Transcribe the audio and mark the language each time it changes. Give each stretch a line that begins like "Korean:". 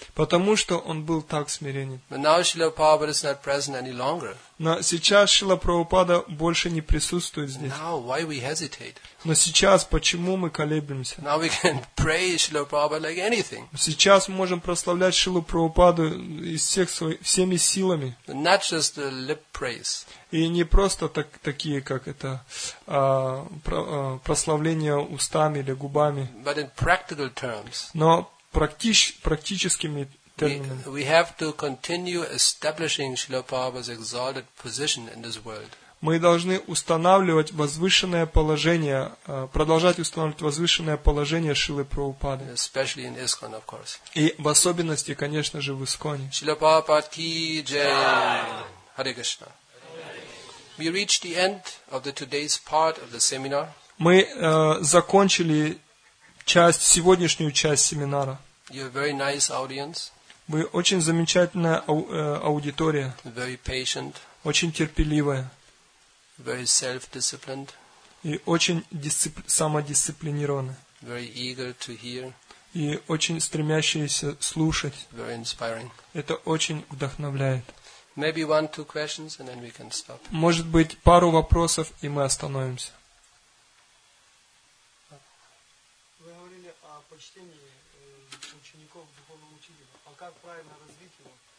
Russian: Потому что он был так смиренен.
English: But now Srila Prabhupada is not present any longer.
Russian: Но сейчас Шрила Прабхупада больше не присутствует здесь.
English: Now, why we hesitate?
Russian: Но сейчас почему мы колеблемся?
English: Now we can pray Shrila Prabhupada like anything.
Russian: Сейчас мы можем прославлять Шрилу Прабхупаду из всех всеми силами.
English: Not just the lip praise.
Russian: И не просто такие, как это, прославления устами или губами.
English: But in practical terms.
Russian: Но практическими
English: We have to continue establishing Srila Prabhupada's exalted position in this world.
Russian: Мы должны устанавливать возвышенное положение, продолжать устанавливать возвышенное положение Шрилы Прабхупады.
English: Especially in ISKCON, of course.
Russian: И в особенности, конечно же, в ИСККОНе.
English: Srila Prabhupada ki jai. Hare Krishna. We reached the end of the today's part of the seminar.
Russian: Мы закончили часть сегодняшнюю часть семинара.
English: You have a very nice audience.
Russian: Вы очень замечательная аудитория.
English: Very patient,
Russian: очень терпеливая.
English: Very self-disciplined,
Russian: и очень самодисциплинированная.
English: Very eager to hear,
Russian: и очень стремящаяся слушать.
English: Very inspiring.
Russian: Это очень вдохновляет.
English: Maybe one, two questions, and then we can stop.
Russian: Может быть, пару вопросов, и мы остановимся. Вы говорили о почтении учеников духовного учителя.